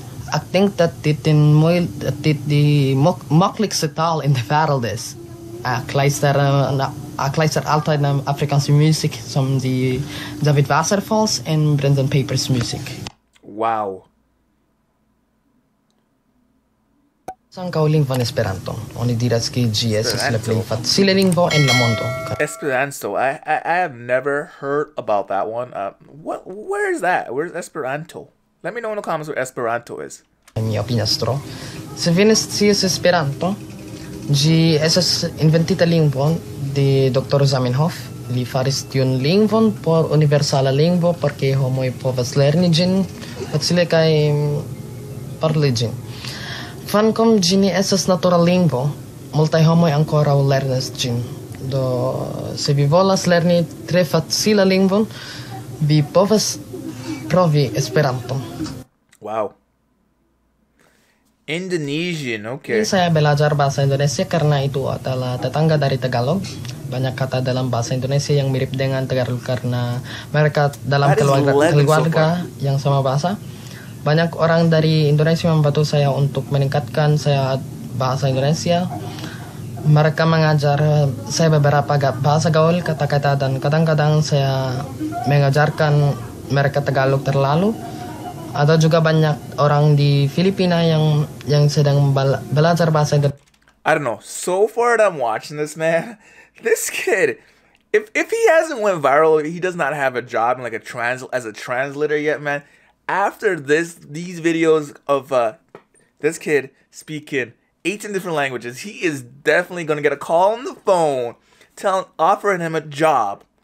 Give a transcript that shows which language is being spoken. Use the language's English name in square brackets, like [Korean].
[Dutch] Ik denk dat dit de makkelijkste taal in de wereld is. Ik luister altijd naar Afrikaanse muziek, zoals die David Waterfalls en Brendan Papers muziek. [English] Wow. [Esperanto] Ankaŭ lingvon Esperanton. Oni diras ke ĝi estas la plej [English] Esperanto. [Esperanto] facila lingvo en la mondo. [English] Esperanto. I have never heard about that one. What where is that? Where's Esperanto? Let me know in the comments where Esperanto is. [Esperanto] Mi opinias tro. Se vi ne scias Esperanton, ĝi estas inventita lingvo de Dr. Zamenhof. Li faris tiun lingvon por universala lingvo, por ke homoj povas lerni ĝin facile kaj parli ĝin. Kvankam ĝi ne estas natura lingvo, multaj homoj ankoraŭ lernas ĝin. Do, se vi volas lerni tre facila lingvon, vi povas provi Esperanton. [English] Wow. Indonesian, [Indonesian] Ini [English] okay. [Indonesian] saya belajar bahasa Indonesia karena itu adalah tetangga dari Tagalog. Banyak kata dalam bahasa Indonesia yang mirip dengan Tagalog karena mereka dalam [English] That is 11 so [Indonesian] keluarga [English] far. [Indonesian] yang sama bahasa. Banyak orang dari Indonesia membantu saya untuk meningkatkan saya bahasa Indonesia. Mereka mengajar saya beberapa bahasa gaul, kata-kata, dan kadang-kadang saya mengajarkan mereka Tagalog terlalu. Ada juga banyak orang di Filipina yang sedang belajar bahasa Indonesia. [English] I don't know. So far that I'm watching this man, this kid, if he hasn't went viral, he does not have a job in like a trans as a translator yet, man. After this, these videos of this kid speaking 18 different languages, he is definitely gonna get a call on the phone, offering him a job.